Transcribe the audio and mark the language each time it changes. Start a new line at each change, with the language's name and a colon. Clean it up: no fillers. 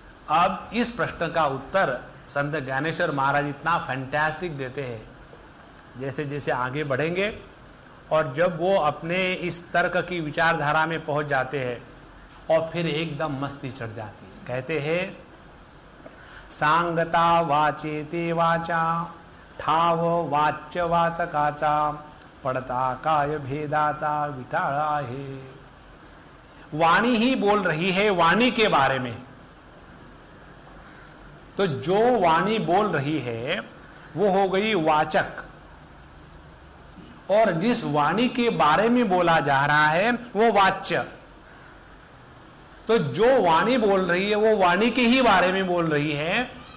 Hindi: अब इस प्रश्न का उत्तर संत ज्ञानेश्वर महाराज इतना फैंटास्टिक देते हैं, जैसे जैसे आगे बढ़ेंगे और जब वो अपने इस तर्क की विचारधारा में पहुंच जाते हैं और फिर एकदम मस्ती चढ़ जाती है। कहते हैं
Marathi: सांगता वाचे ते वाचा ठाव वाच्य वाचकाचा पड़ता काय भेदाचा विटाळा हे।
Hindi: वाणी ही बोल रही है वाणी के बारे में, तो जो वाणी बोल रही है वो हो गई वाचक, और जिस वाणी के बारे में बोला जा रहा है वो वाच्य, तो जो वाणी बोल रही है वो वाणी के ही बारे में बोल रही है।